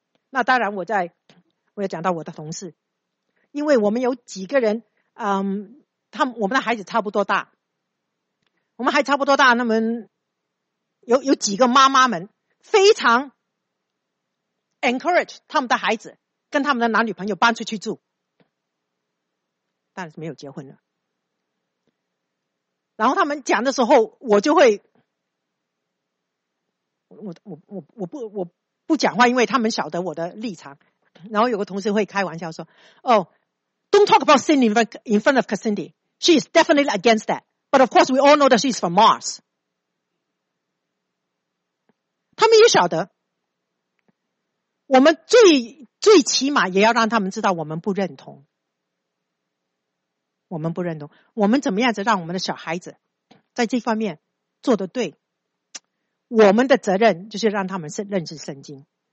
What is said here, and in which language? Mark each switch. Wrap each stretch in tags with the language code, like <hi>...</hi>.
<zh>那当然我要讲到我的同事，因为我们有几个人，我们的孩子差不多大，我们还差不多大，那么有几个妈妈们非常 encourage 他们的孩子跟他们的男女朋友搬出去住，但是没有结婚了。然后他们讲的时候，我就会我不讲话，因为他们晓得我的立场。然后有个同事会开玩笑说</zh> <en>Oh, don't talk about sin in front of Cassandra. She is definitely against that. But of course, we all know that she is from Mars.</en> <zh>他们也晓得，我们最起码也要让他们知道我们不认同。我们不认同，我们怎么样子让我们的小孩子在这方面做得对，我们的责任就是让他们认识圣经。</zh>